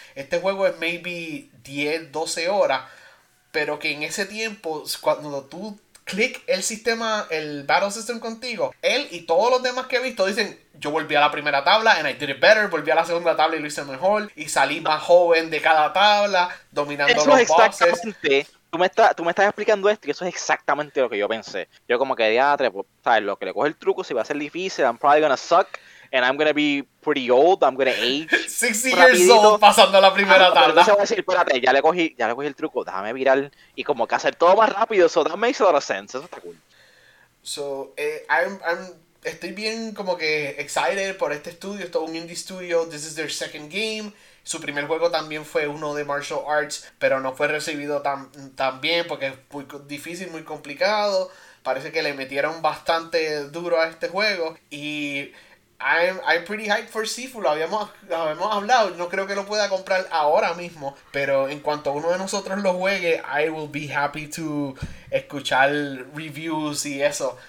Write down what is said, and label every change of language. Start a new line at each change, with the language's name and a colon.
Spanish: Este juego es maybe 10, 12 horas, pero que en ese tiempo, cuando tú click el sistema, el battle system contigo, él y todos los demás que he visto dicen, yo volví a la primera tabla
English: and I did it better,
Spanish: volví a la segunda tabla y lo hice mejor, y salí más joven de cada tabla, dominando los bosses. Tú me estás explicando esto y eso es exactamente lo que yo pensé. Yo como que diatre, sabes, lo que le coge el truco, si va a ser difícil,
English: I'm probably gonna suck. And I'm going to be pretty old, I'm going to age. 60 years old
Spanish: pasando la primera tarde. Se va a decir, espérate, ya le cogí el truco, déjame virar. Y como que hacer todo más rápido,
English: so that makes a lot of sense.
Spanish: Eso está cool. So, estoy bien como que excited por este estudio. Esto es un
English: indie studio, this is their second game.
Spanish: Su primer juego también fue uno de martial arts, pero no fue recibido tan bien porque es muy difícil, muy complicado. Parece que le metieron bastante duro a este juego y...
English: I'm pretty hyped for Sifu,
Spanish: lo habíamos hablado, no creo que lo pueda comprar ahora mismo, pero en cuanto uno de nosotros lo juegue,
English: I will be happy to
Spanish: escuchar reviews y eso.